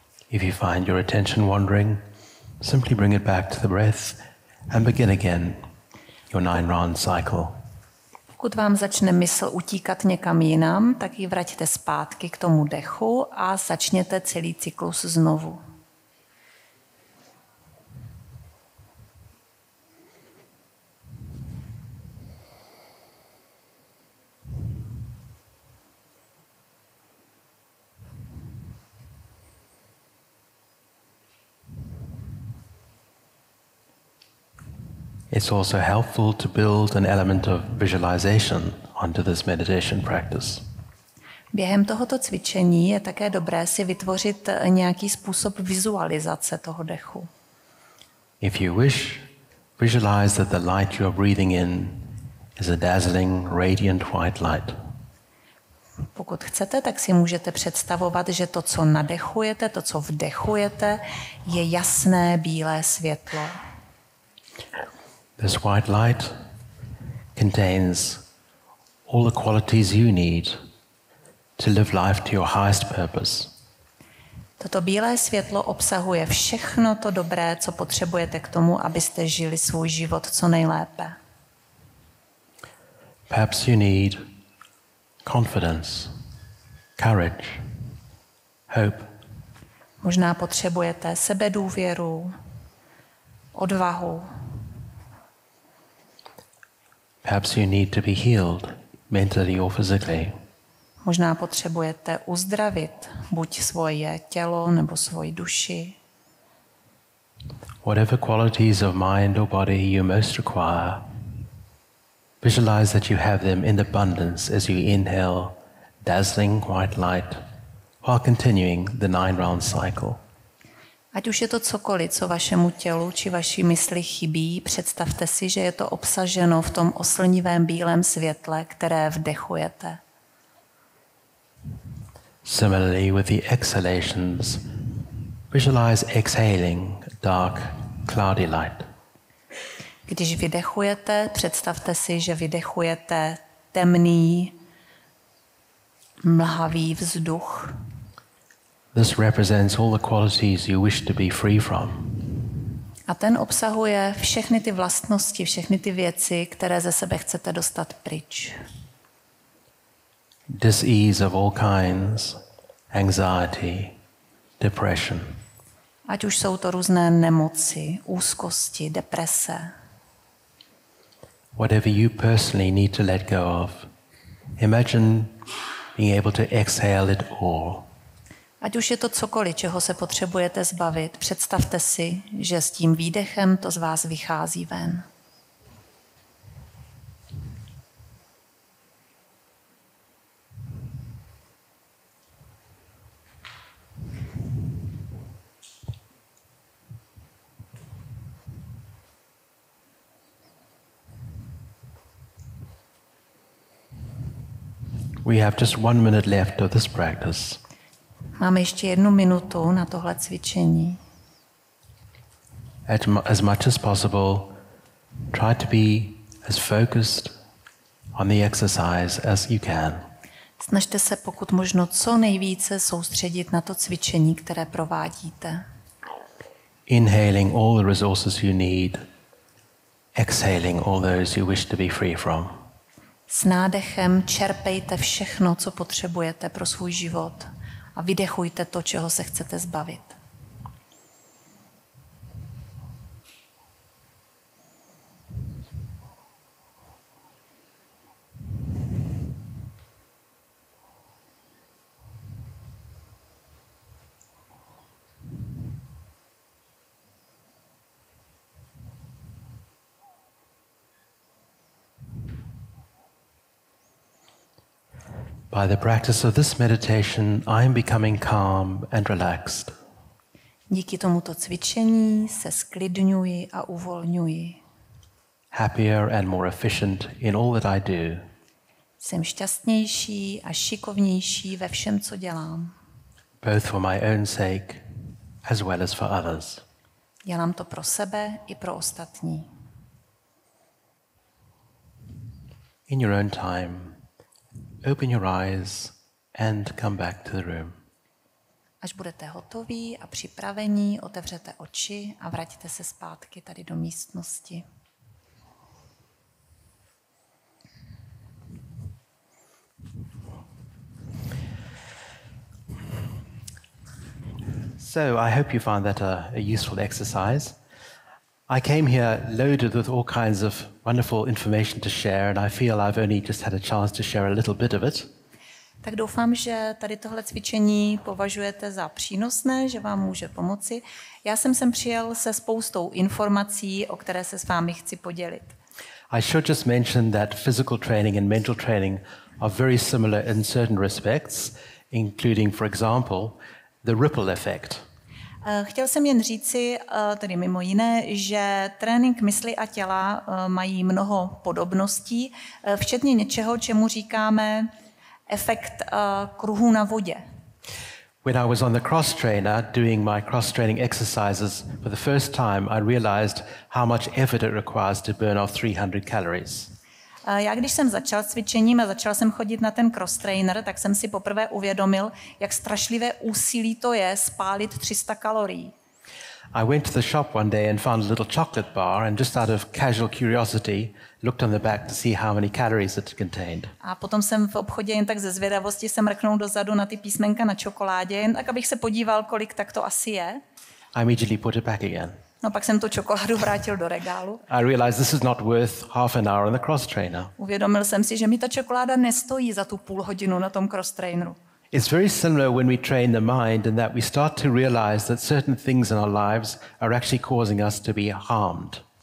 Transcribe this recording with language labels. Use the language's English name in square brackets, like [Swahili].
[English] If you find your attention wandering, simply bring it back to the breath and begin again your 9-round cycle. [Czech] Pokud vám začne mysl utíkat někam jinam, tak ji vraťte zpátky k tomu dechu a začněte celý cyklus znovu. [English] It's also helpful to build an element of visualization onto this meditation practice. [Czech] Během tohoto cvičení je také dobré si vytvořit nějaký způsob vizualizace toho dechu. [English] If you wish, visualize that the light you are breathing in is a dazzling, radiant white light. [Czech] Pokud chcete, tak si můžete představovat, že to, co nadechujete, to, co vdechujete, je jasné bílé světlo. [English] This white light contains all the qualities you need to live life to your highest purpose. [Czech] Toto bílé světlo obsahuje všechno to dobré, co potřebujete k tomu, abyste žili svůj život co nejlépe. [English] Perhaps you need confidence, courage, hope. [Czech] Možná potřebujete sebedůvěru, odvahu. [English] Perhaps you need to be healed mentally or physically. [Czech] Možná potřebujete uzdravit buď svoje tělo nebo svoji duši. [English] Whatever qualities of mind or body you most require, visualize that you have them in abundance as you inhale dazzling white light while continuing the 9-round cycle. [Czech] Ať už je to cokoliv, co vašemu tělu či vaší mysli chybí, představte si, že je to obsaženo v tom oslnivém bílém světle, které vdechujete. [English] Similarly with the exhalations, visualize exhaling dark, cloudy light. [Czech] Když vydechujete, představte si, že vydechujete temný, mlhavý vzduch. [English] This represents all the qualities you wish to be free from. [Czech] A ten obsahuje všechny ty vlastnosti, všechny ty věci, které ze sebe chcete dostat pryč. [English] Disease of all kinds, anxiety, depression. [Czech] Ať už jsou to různé nemoci, úzkosti, deprese. [English] Whatever you personally need to let go of, imagine being able to exhale it all. [Czech] Ať už je to cokoliv, čeho se potřebujete zbavit, představte si, že s tím výdechem to z vás vychází ven. [English] We have just 1 minute left of this practice. [Czech] Máme ještě jednu minutu na tohle cvičení. [English] As much as possible, try to be as focused on the exercise as you can. [Czech] Snažte se pokud možno co nejvíce soustředit na to cvičení, které provádíte. [English] Inhaling all the resources you need, exhaling all those you wish to be free from. [Czech] S nádechem čerpejte všechno, co potřebujete pro svůj život a vydechujte to, čeho se chcete zbavit. [English] By the practice of this meditation, I am becoming calm and relaxed. [Czech] Díky tomuto cvičení se sklidňuji a uvolňuji. [English] Happier and more efficient in all that I do. [Czech] Jsem šťastnější a šikovnější ve všem, co dělám. [English] Both for my own sake, as well as for others. [Czech] Dělám to pro sebe i pro ostatní. [English] In your own time, open your eyes and come back to the room. [Czech] Až budete hotoví a připravení, otevřete oči a vraťte se zpátky tady do místnosti. [English] So, I hope you found that a useful exercise. I came here loaded with all kinds of wonderful information to share, and I feel I've only just had a chance to share a little bit of it. [Czech] Tak doufám, že tady tohle cvičení považujete za přínosné, že vám může pomoci. Já jsem sem přijel se spoustou informací, o které se s vámi chci podělit. [English] I should just mention that physical training and mental training are very similar in certain respects, including, for example, the ripple effect. [Czech] Chtěl jsem jen říci, tedy mimo jiné, že trénink mysli a těla mají mnoho podobností, včetně něčeho, čemu říkáme efekt kruhu na vodě. [English] When I was on the cross trainer doing my cross training exercises for the first time, I realized how much effort it requires to burn off 300 calories. [Czech] Já když jsem začal cvičením a začal jsem chodit na ten cross trainer, tak jsem si poprvé uvědomil, jak strašlivé úsilí to je spálit 300 kalorií. [English] I went to the shop one day and found a little chocolate bar and just out of casual curiosity looked on the back to see how many calories it contained. [Czech] A potom jsem v obchodě jen tak ze zvědavosti se mrknul dozadu na ty písmenka na čokoládě, jen tak abych se podíval, kolik tak to asi je. [English] I immediately put it back again. [Czech] No pak jsem tu čokoládu vrátil do regálu. [English] I realized this is not worth half an hour on the cross trainer. [Czech] Uvědomil jsem si, že mi ta čokoláda nestojí za tu půl hodinu na tom cross traineru. [English] It's very similar when we train the mind and that we start to realize that certain things in our lives are actually causing us to be harmed.